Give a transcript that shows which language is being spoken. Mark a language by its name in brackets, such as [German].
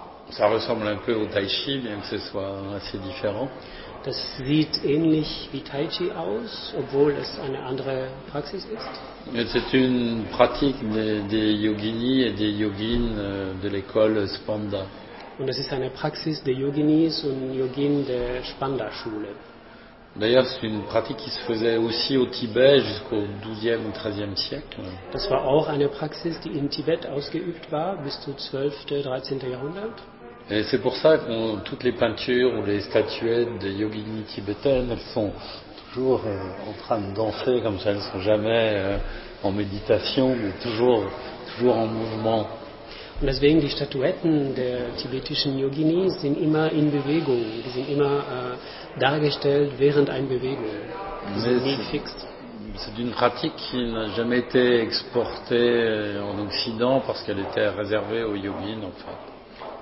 [French] Ça ressemble un peu au Tai Chi, bien que ce soit assez différent. [German] Das sieht ähnlich wie Tai Chi aus, obwohl es eine andere Praxis ist. [French] C'est une pratique des yogini et des yogines de l'école Spanda. [German] Und es ist eine Praxis der Yoginis und Yogin der Spanda-Schule. [French] D'ailleurs, c'est une pratique qui se faisait aussi au Tibet jusqu'au 12e ou 13e siècle. [German] Das war auch eine Praxis, die in Tibet ausgeübt war, bis zum 12. 13. Jahrhundert. [French] Et c'est pour ça que toutes les peintures ou les statuettes de yogini tibétaines, elles sont toujours en train de danser comme ça, elles ne sont jamais en méditation, mais toujours en mouvement. [German] Und deswegen die Statuetten der tibetischen Yoginis sind immer in Bewegung. Die sind immer dargestellt während einer Bewegung. Die sind nie fix. [French] C'est une pratique qui n'a jamais été exportée en Occident parce qu'elle était réservée aux yogins en fait.